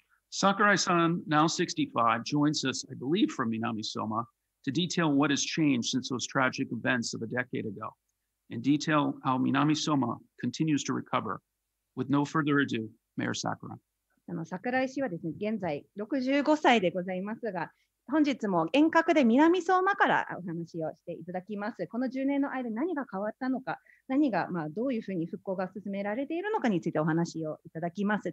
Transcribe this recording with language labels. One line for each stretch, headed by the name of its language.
English: Sakurai-san, now 65, joins us, I believe, from Minamisoma. To detail what has changed since those tragic events of a decade ago, and detail how Minamisoma continues to recover. With no further ado, Mayor Sakurai.
Japanese: 桜井氏はですね、現在65歳でございますが、本日も遠隔で南相馬からお話をしていただきます。この10年の間、何が変わったのか、何がどういうふうに復興が進められているのかについてお話をいただきます。